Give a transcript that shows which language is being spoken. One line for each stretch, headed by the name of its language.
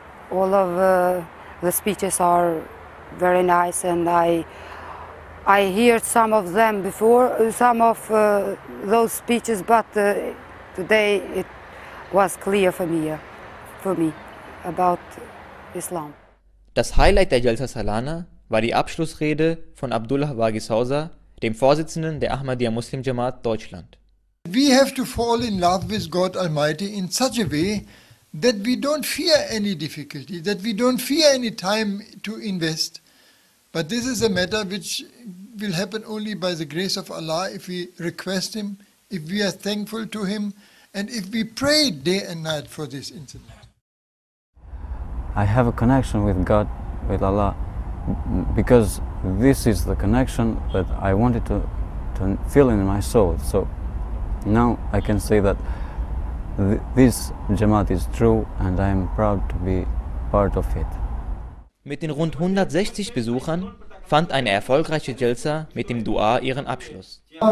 English: All of the speeches are very nice and I heard some of them before, some of those speeches, but today it was clear for me about Islam.
German: Das Highlight der Jalsa Salana war die Abschlussrede von Abdullah Waghis Hausa, dem Vorsitzenden der Ahmadiyya Muslim Jamaat Deutschland.
English: We have to fall in love with God Almighty in such a way that we don't fear any difficulty, that we don't fear any time to invest. But this is a matter which will happen only by the grace of Allah if we request him, if we are thankful to him. And if we pray day and night for this incident. I have a connection with God, with Allah, because this is the connection that I wanted to feel in my soul. So now I can say that this Jamaat is true and I am proud to be part of it.
German: Mit den rund 160 Besuchern fand eine erfolgreiche Jalsa mit dem Dua ihren Abschluss.